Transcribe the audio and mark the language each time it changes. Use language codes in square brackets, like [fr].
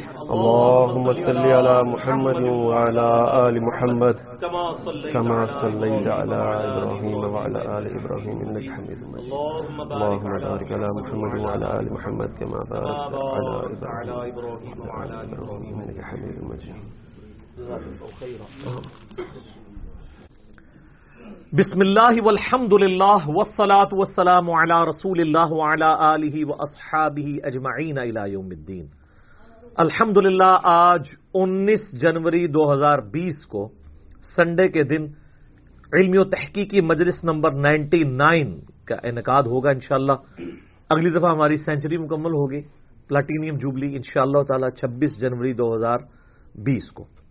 [ar] اللهم صل على محمد وعلى آل محمد كما صليت على إبراهيم وعلى آل إبراهيم إنك حميد مجيد، اللهم بارك على محمد وعلى آل محمد كما باركت على إبراهيم وعلى آل إبراهيم إنك حميد مجيد. بسم الله والحمد لله والصلاة والسلام على رسول الله وعلى آله وأصحابه أجمعين إلى يوم الدين. [ur] الحمدللہ آج 19 جنوری 2020 کو سنڈے کے دن علمی و تحقیقی مجلس نمبر 99 کا انعقاد ہوگا انشاءاللہ. اگلی دفعہ ہماری سینچری مکمل ہوگی پلاٹینیم جوبلی انشاءاللہ تعالی 26 جنوری 2020 کو.